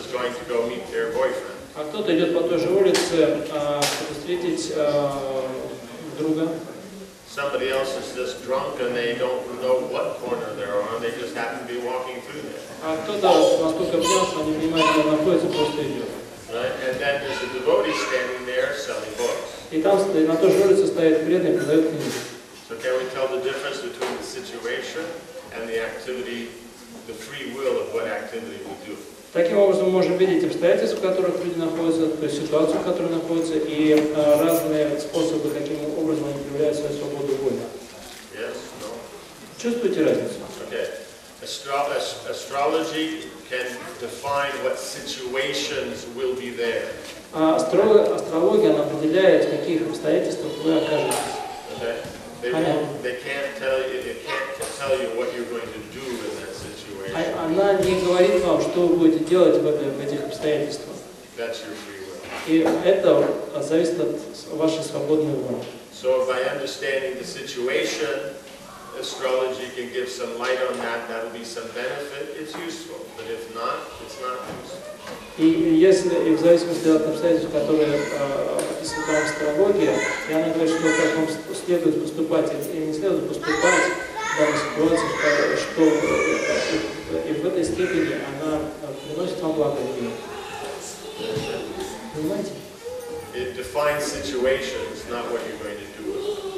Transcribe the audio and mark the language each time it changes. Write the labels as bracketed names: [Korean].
[English] Someone else is going to go meet their boyfriend. somebody else is just drunk and they don't know what corner they're on, they just happen to be walking through there. Right? And then there's a devotee standing there selling books. [Russian] И там на той же улице стоит преданный, продает книги. [English] So can we tell the difference between the situation and the activity, the free will of what activity we do? [Russian] Таким образом мы можем видеть обстоятельства, в которых люди находятся, то есть ситуацию, в которой находятся, и разные способы, каким образом они проявляют свою свободу воли. [English] Yes, no. [Russian] Чувствуете разницу? [English] Okay. Astrology can define what situations will be there. [Russian] Астрология определяет, в каких обстоятельствах вы окажетесь. [English] Okay. They can't tell you what you're going to do in that situation. [Russian] Она не говорит вам, что вы будете делать в этих обстоятельствах. [English] That's your free will. [Russian] И это зависит от вашей свободной воли. [English] So by understanding the situation, astrology can give some light on that. That will be some benefit. It's useful. But if not, it's not useful. [Russian] И в зависимости от обстоятельств, которые описывают астрология, я надеюсь, что как вам следует поступать или не следует поступать в данной ситуации, что и в этой степени она приносит вам благо. Понимаете? [English] It defines situations, not what you're going to do with.